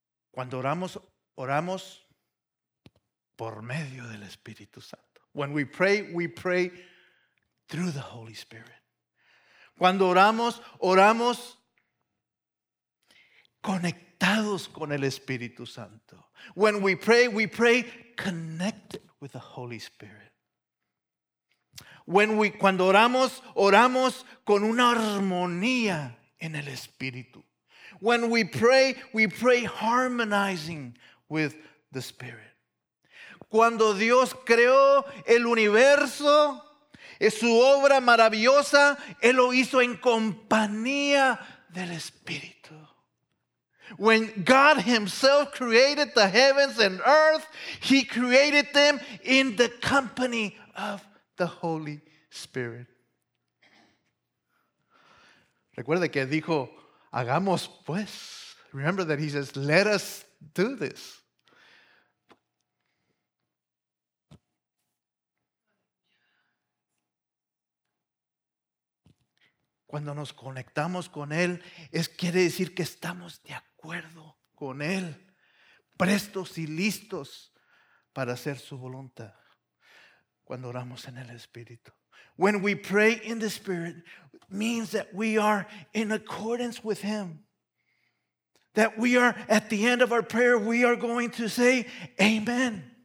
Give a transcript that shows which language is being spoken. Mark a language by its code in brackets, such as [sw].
[es] Cuando oramos, oramos por medio del Espíritu Santo. [en] When we pray through the Holy Spirit. [es] Cuando oramos, oramos conectados con el Espíritu Santo. [en] When we pray connected with the Holy Spirit. [es] Cuando oramos, oramos con una armonía en el Espíritu. [en] When we pray harmonizing with the Spirit. [es] Cuando Dios creó el universo, su obra maravillosa, Él lo hizo en compañía del Espíritu. [en] When God himself created the heavens and earth, he created them in the company of the Holy Spirit. [es] Recuerde que dijo, hagamos pues. [en] Remember that he says, let us do this. [es] Cuando nos conectamos con él, quiere decir que estamos de acuerdo con él, prestos y listos para hacer su voluntad. Cuando oramos en el Espíritu. [en] When we pray in the Spirit, means that we are in accordance with him. That we are, at the end of our prayer, we are going to say, amen.